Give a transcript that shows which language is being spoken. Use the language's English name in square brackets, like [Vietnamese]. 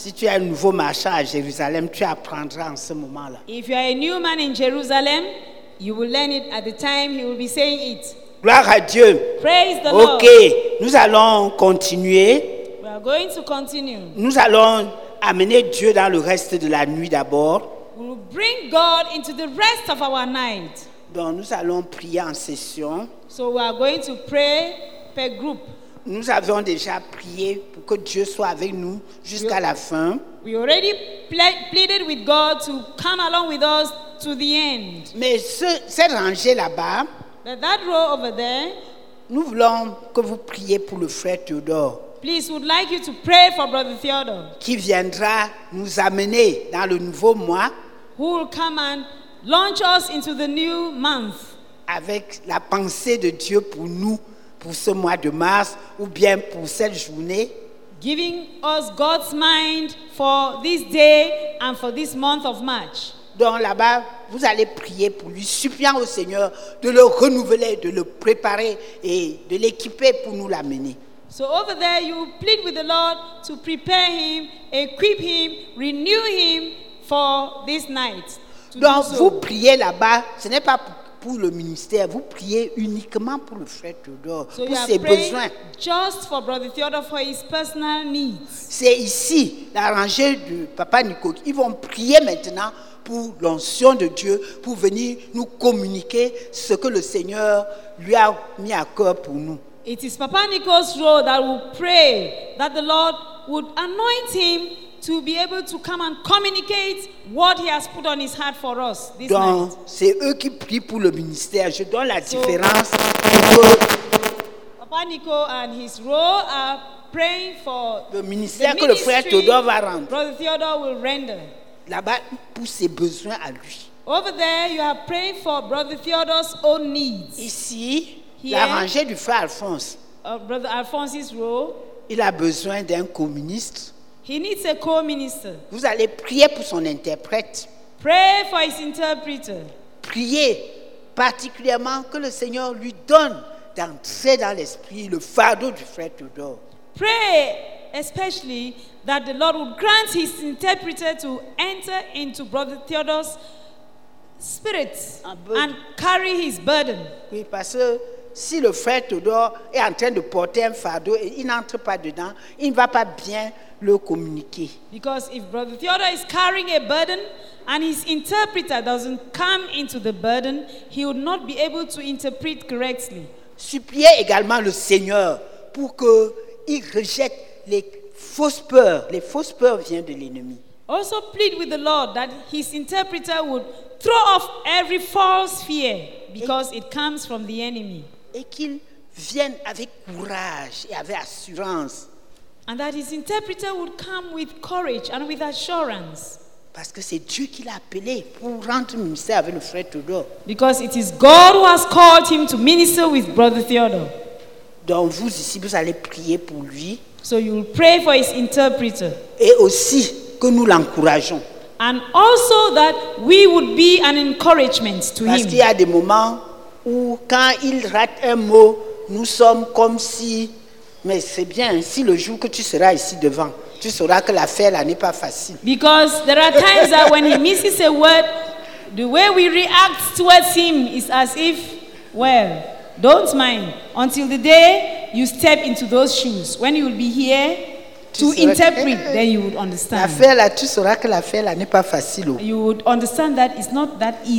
[French] Si tu es un nouveau marchand à Jérusalem, tu apprendras en ce moment-là. [English] If you are a new man in Jerusalem, you will learn it at the time he will be saying it. [French] Gloire à Dieu. [English] Praise the [French] Lord. Okay, nous allons continuer. [English] We are going to continue. [French] Nous allons amener Dieu dans le reste de la nuit d'abord. [English] We will bring God into the rest of our night. [French] Donc nous allons prier en session. [English] So we are going to pray per group. [French] Nous avons déjà prié pour que Dieu soit avec nous jusqu'à la fin. [English] We already pleaded with God to come along with us to the end. [French] Mais cette rangée là-bas, [English] but that row over there, [French] nous voulons que vous priez pour le frère Théodore. [English] Please, we would like you to pray for Brother Theodore. [French] Qui viendra nous amener dans le nouveau mois. [English] Who will come and launch us into the new month. [French] Avec la pensée de Dieu pour nous, pour ce mois de mars, ou bien pour cette journée. [English] Giving us God's mind for this day and for this month of March. [French] Donc là-bas, vous allez prier pour lui, suppliant au Seigneur de le renouveler, de le préparer et de l'équiper pour nous l'amener. [English] So over there, you plead with the Lord to prepare him, equip him, renew him for this night. [French] Donc, [English] do so. [French] Vous priez là-bas, ce n'est pas pour le ministère, vous priez uniquement pour le frère Théodore, [English] so [French] pour ses besoins. [English] Just for Brother Theodore, for his personal needs. [French] C'est ici, la rangée de Papa Nico, ils vont prier maintenant pour l'onction de Dieu, pour venir nous communiquer ce que le Seigneur lui a mis à cœur pour nous. [English] It is Papa Nico's role that will pray that the Lord would anoint him to be able to come and communicate what he has put on his heart for us this night. [French] Donc, c'est eux qui prient pour le ministère. Je donne la différence pour eux. [English] Papa Nico and his role are praying for [French] le ministère que le frère Théodore va rendre. [English] Brother Theodore will render. [French] Là-bas, pour ses besoins à lui. [English] Over there, you are praying for Brother Theodore's own needs. [French] Ici, la rangée du frère Alphonse. [English] Brother Alphonse's role. [French] Il a besoin d'un co-ministre. [English] He needs a co-minister. [French] Vous allez prier pour son interprète. [English] Pray for his interpreter. [French] Priez particulièrement que le Seigneur lui donne d'entrer dans l'esprit le fardeau du frère Théodore. [English] Pray especially that the Lord would grant his interpreter to enter into Brother Theodore's spirit and carry his burden. [French] Oui, parce que si le frère Théodore est en train de porter un fardeau et il n'entre pas dedans, il ne va pas bien le communiquer. [English] Because if Brother Theodore is carrying a burden and his interpreter doesn't come into the burden, he would not be able to interpret correctly. [French] Suppliez également le Seigneur pour qu'il rejette les fausses peurs. Les fausses peurs viennent de l'ennemi. [English] Also plead with the Lord that his interpreter would throw off every false fear because it comes from the enemy. [French] Et qu'il vienne avec courage et avec assurance. [English] And that his interpreter would come with courage and with assurance. [French] Parce que c'est Dieu qui l'a appelé pour rendre ministère avec le frère Théodore. [English] Because it is God who has called him to minister with Brother Theodore. [French] Donc vous ici, vous allez prier pour lui. [English] So you will pray for his interpreter. [French] Et aussi que nous l'encourageons. [English] And also that we would be an encouragement to him. [French] Parce qu'il y a des moments où quand il rate un mot, nous sommes comme si... Mais c'est bien, si le jour que tu seras ici devant, tu sauras que l'affaire là n'est pas facile. [English] Because there are times that when he misses a word, the way we react towards him is as if, well, don't mind. Until the day you step into those shoes, when you will be here to interpret, then you would understand. [French] L'affaire là, tu sauras que l'affaire là n'est pas facile. [English] You would understand that it's not that easy.